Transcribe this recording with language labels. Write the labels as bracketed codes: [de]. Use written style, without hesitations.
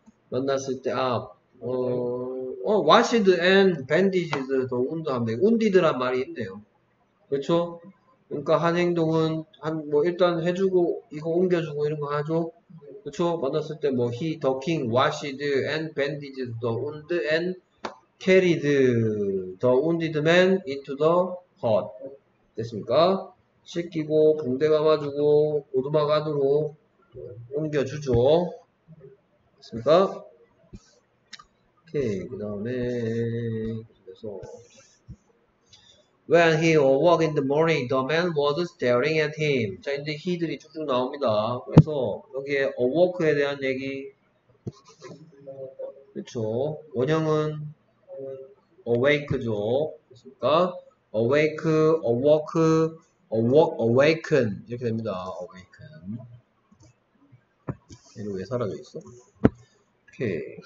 [ko] 만났을 때 아, [en] washed and bandages [ko] 더 운도한데 운디드란 말이 있네요. 그렇죠? 그러니까 한 행동은 한 뭐 일단 해주고 이거 옮겨주고 이런 거 하죠. 그렇죠? 만났을 때 뭐 [en] he the king washed and bandaged the wound and carried the wounded man into the hut. [ko] 됐습니까? 씻기고 붕대 감아주고 오두막 안으로 옮겨주죠. 됐습니까? 오케이 그다음에 그래서. [en] When he awoke in the morning, the man was staring at him. [ko] 자, 이제 he들이 쭉쭉 나옵니다. 그래서 여기에 awoke에 대한 얘기, 그렇죠? 원형은 awake죠, 그렇습니까? [en] awake, awoke, awaken [ko] 이렇게 됩니다. awaken. 얘는 왜 사라져 있어? 오케이.